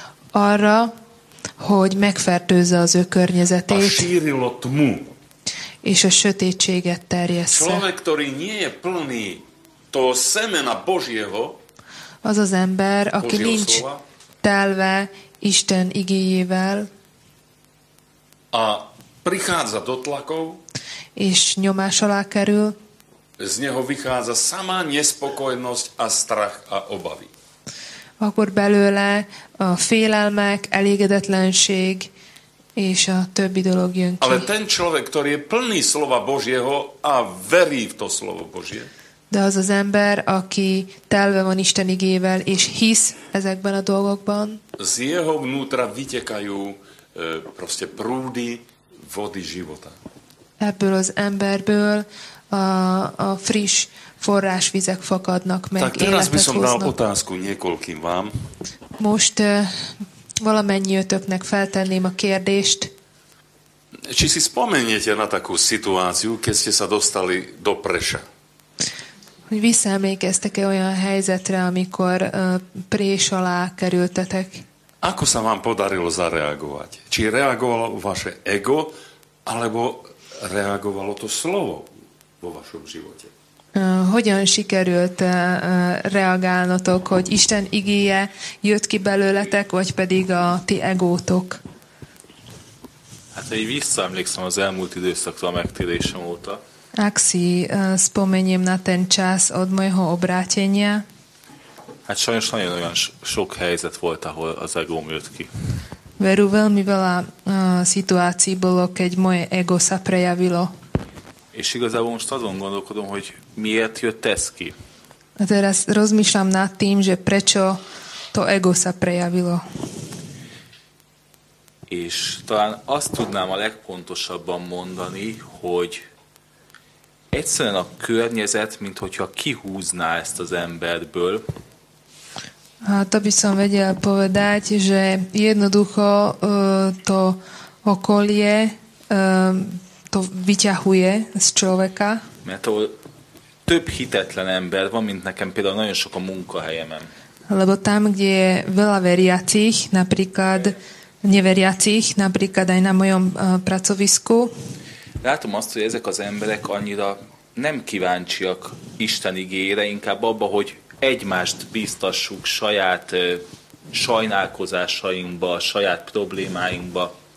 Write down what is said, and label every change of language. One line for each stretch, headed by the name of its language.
Hungarian: Arra, hogy megfertőzze az ő környezetét.
Slovak: A šírilo tmu.
Hungarian: És a sötétséget terjessze.
Slovak: Človek, ktorý nie je plný toho semena Božieho,
Hungarian: az az ember, aki nincs telve Isten igéjével,
Slovak: a prichádza do tlakov,
Hungarian: és nyomás alá kerül,
Slovak: z neho vychádza sama nespokojnosť a strach a obavy.
Hungarian: Akkor belőle a félelmek, elégedetlenség és a többi dolog jön ki.
Slovak: Ale ten človek, ktorý je plný slova Božieho a verí v to slovo Božie.
Hungarian: De az az ember, aki telve van Isten igével és hisz ezekben a dolgokban.
Slovak: Z jeho vnútra vytekajú proste prúdy vody života.
Hungarian: Ebből az emberből a friss forrásvizek fakadnak meg, életet hoznak.
Slovak: Tak teraz by som dal otázku niekoľkým vám.
Hungarian: Most valamennyi ötöknek feltenném a kérdést.
Slovak: Či si spomeniete na takú situáciu, keď ste sa dostali do Preša?
Hungarian: Hogy visszaemlékeztek-e olyan helyzetre, amikor Prés alá kerültetek?
Slovak: Ako sa vám podarilo zareagovať? Či reagovalo vaše ego, alebo reagovalo to slovo vo vašom živote?
Hungarian: Hogyan sikerült reagálnotok, hogy Isten igéje jött ki belőletek, vagy pedig a ti egótok? Hát én visszaemlékszem az elmúlt időszakra a megtérésem óta.
Slovak: Ak si spomeniem na ten čas od mojho obrátenia.
Hungarian: Hát sajnos nagyon olyan sok helyzet volt, ahol az egóm jött ki.
Slovak: Veru, veľmi veľa situácií bolo, keď moje ego sa prejavilo.
Hungarian: És igazából most azon gondolkodom, hogy miért jött ez ki.
Slovak: A teraz rozmýšľam nad tým, že prečo to ego sa prejavilo.
Hungarian: És talán azt tudnám a legpontosabban mondani, hogy egyszerűen a környezet, mint hogyha kihúzná ezt az emberből.
Slovak: A to by som vedel povedať, že jednoducho to okolie to vyťahuje z človeka.
Hungarian: Mert ahol több hitetlen ember van, mint nekem például nagyon sok a munkahelyemen.
Slovak: Lebo tam, kde je veľa veriacich, napríklad neveriacich, napríklad aj na mojom pracovisku.
Hungarian: Látom azt, hogy ezek az emberek annyira nem kíváncsiak Isten igére, inkább abba, hogy egymást biztassuk saját sajnálkozásainkba, saját problémáinkba.